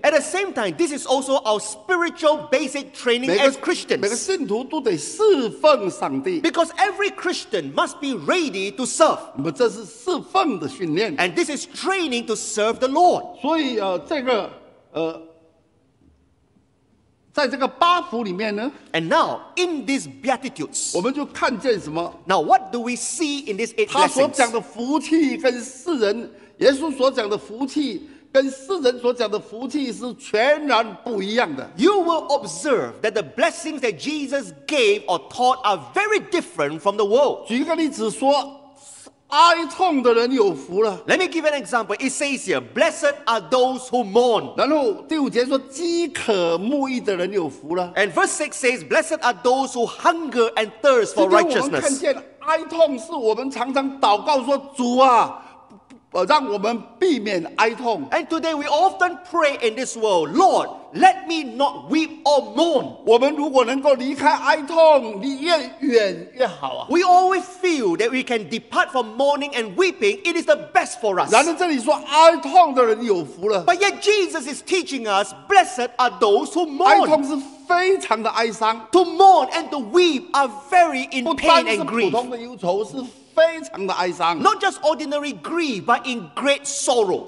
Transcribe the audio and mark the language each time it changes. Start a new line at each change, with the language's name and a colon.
English: At the same time, this is also our spiritual basic training as Christians.
Chinese: 每个信徒都得侍奉上帝。
English: Because every Christian must be ready to serve.
Chinese: 那么这是侍奉的训练。
English: And this is training to serve the Lord.
Chinese: 所以这个。在这个八福里面呢,
English: and now, in these Beatitudes,
Chinese: 我们就看见什么?
English: Now, what do we see in these eight lessons?
Chinese: 他所讲的福气跟世人, 耶稣所讲的福气跟世人所讲的福气是全然不一样的。
English: You will observe that the blessings that Jesus gave or taught are very different from the world.
Chinese: 举个例子说, 哀痛的人有福了。
English: Let me give an example. It says here, blessed are those who mourn.
Chinese: 然后第五节说, 饥渴慕义的人有福了。
English: And verse 6 says, blessed are those who hunger and thirst for righteousness.
Chinese: 今天我们看见哀痛是我们常常祷告说, 主啊, 让我们避免哀痛。
English: And today we often pray in this world, Lord, let me not weep or mourn.
Chinese: 我们如果能够离开哀痛, 离越远越好啊。
English: We always feel that we can depart from mourning and weeping, it is the best for us.
Chinese: 然而这里说, 哀痛的人有福了。
English: But yet Jesus is teaching us, blessed are those who mourn.
Chinese: 哀痛是非常的哀伤。
English: To mourn and to weep are very in pain and grief.
Chinese: 不单是普通的忧愁, 非常的哀伤,
English: not just ordinary grief, but in great sorrow.